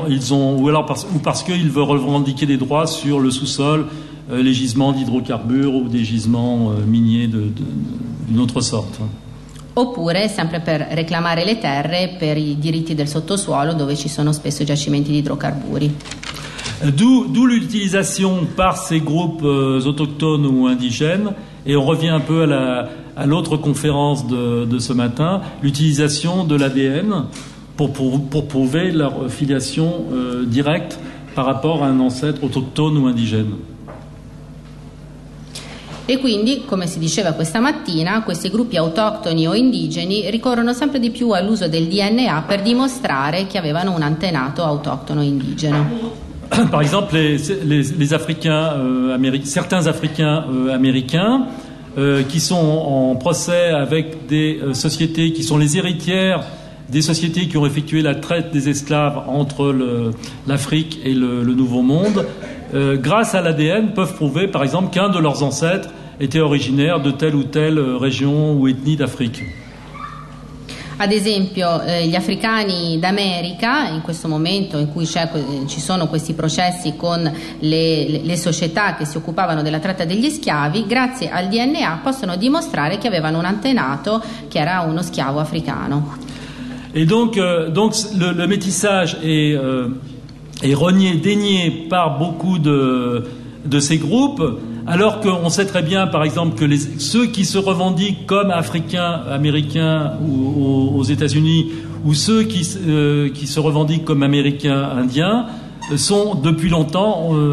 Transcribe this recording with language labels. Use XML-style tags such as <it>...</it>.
<fr>Ou parce qu'ils veulent revendiquer des droits sur le sous-sol, les gisements d'hydrocarbures ou des gisements miniers d'une autre sorte.</fr> <it>Oppure sempre per reclamare le terre per i diritti del sottosuolo dove ci sono spesso giacimenti di idrocarburi.</it> <fr>D'où l'utilisation par ces groupes autochtones ou indigènes, et on revient un peu à l'autre conférence de ce matin, l'utilisation de l'ADN pour prouver leur filiation directe par rapport à un ancêtre autochtone ou indigène.</fr> <it>E quindi, come si diceva questa mattina, questi gruppi autoctoni o indigeni ricorrono sempre di più all'uso del DNA per dimostrare che avevano un antenato autoctono indigeno.</it> <fr>Par exemple, les Africains, certains Africains américains qui sont en procès avec des sociétés qui sont les héritières des sociétés qui ont effectué la traite des esclaves entre l'Afrique et le Nouveau Monde, grâce à l'ADN, peuvent prouver, par exemple, qu'un de leurs ancêtres était originaire de telle ou telle région ou ethnie d'Afrique.</fr> <it>Ad esempio, gli africani d'America, in questo momento in cui ci sono questi processi con le società che si occupavano della tratta degli schiavi, grazie al DNA possono dimostrare che avevano un antenato che era uno schiavo africano.</it> <fr>Et donc le métissage est renié, dénié par beaucoup de ces groupes, alors qu'on sait très bien, par exemple, que ceux qui se revendiquent comme Africains, Américains aux États-Unis, ou ceux qui se revendiquent comme Américains, Indiens, se sont depuis longtemps</fr>